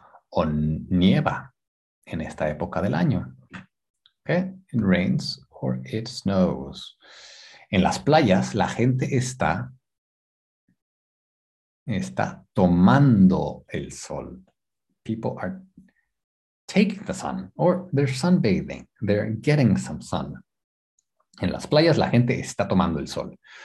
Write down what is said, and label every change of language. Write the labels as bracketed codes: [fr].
[es] O nieva en esta época del año. [en] Okay, it rains or it snows. [es] En las playas, la gente está tomando el sol. [en] People are taking the sun or they're sunbathing. They're getting some sun. [es] En las playas, la gente está tomando el sol.